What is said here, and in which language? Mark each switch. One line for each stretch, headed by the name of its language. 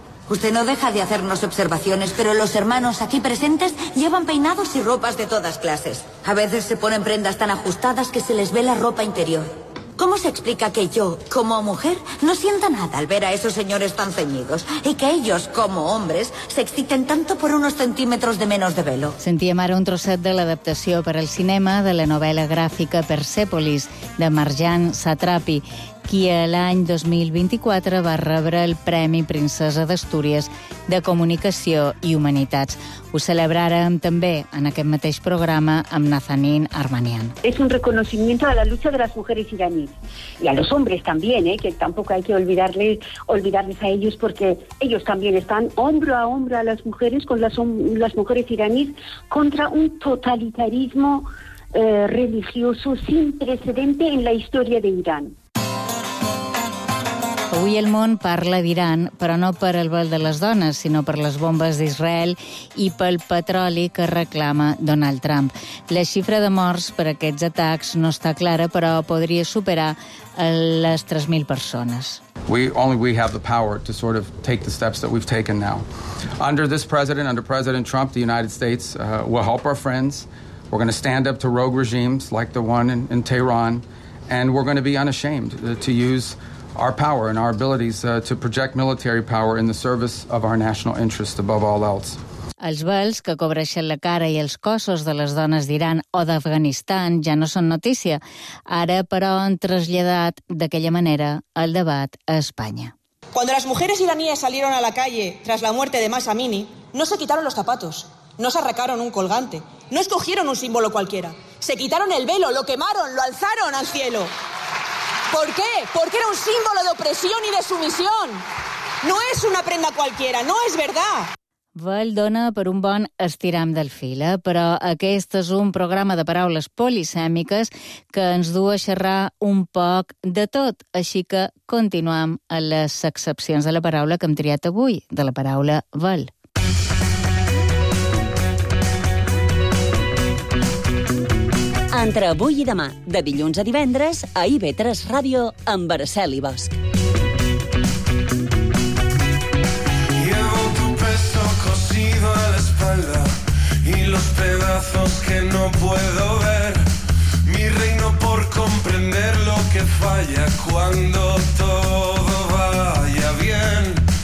Spanish: Usted no deja de hacernos observaciones, pero los hermanos aquí presentes llevan peinados y ropas de todas clases. A veces se ponen prendas tan ajustadas que se les ve la ropa interior. ¿Cómo se explica que yo, como mujer, no sienta nada al ver a esos señores tan ceñidos? Y que ellos, como hombres, se exciten tanto por unos centímetros de menos de velo.
Catalan: Sentíem ara un trosset de l'adaptació per al cinema de la novel·la gràfica Persepolis, de Marjan Satrapi, qui l'any 2024 va rebre el Premi Princesa d'Astúries de Comunicació i Humanitats. Ho celebrarem també en aquest mateix programa amb Nazanin Armanian.
Spanish: Es un reconocimiento a la lucha de las mujeres iraníes y a los hombres también, que tampoco hay que olvidarles a ellos, porque ellos también están hombro a hombro a las mujeres, con las mujeres iraníes, contra un totalitarismo religioso sin precedente en la historia de Irán.
Catalan: Avui el món parla d'Iran, però no per el vol de les dones, sinó per les bombes d'Israel i pel petroli que reclama Donald Trump. La xifra de morts per aquests atacs no està clara, però podria superar les 3.000 persones.
English: We have the power to sort of take the steps that we've taken now. Under this president, under President Trump, the United States will help our friends. We're going to stand up to rogue regimes like the one in Tehran, and we're going to be unashamed to use our power and our abilities to project military power in the service of our national interests above all else.
Catalan: Els vels que cobreixen la cara i els cossos de les dones d'Iran o d'Afganistan ja no són notícia. Ara, però, han traslladat d'aquella manera el debat a Espanya.
Spanish: Cuando las mujeres iraníes salieron a la calle tras la muerte de Mahsa Amini, no se quitaron los zapatos, no se arrancaron un colgante, no escogieron un símbolo cualquiera. Se quitaron el velo, lo quemaron, lo alzaron al cielo. ¿Por qué? Porque era un símbolo de opresión y de sumisión. No es una prenda cualquiera, no es verdad.
Catalan: Val dona per un bon estiram del fil, però aquest és un programa de paraules polisèmiques que ens du a xerrar un poc de tot. Així que continuem a les excepcions de la paraula que hem triat avui, de la paraula val. Entre avui i demà, de dilluns a divendres, a IB3 Ràdio, amb Araceli Bosch.
Spanish: Llevo tu peso cosido a la espalda y los pedazos que no puedo ver. Mi reino por comprender lo que falla cuando todo vaya bien.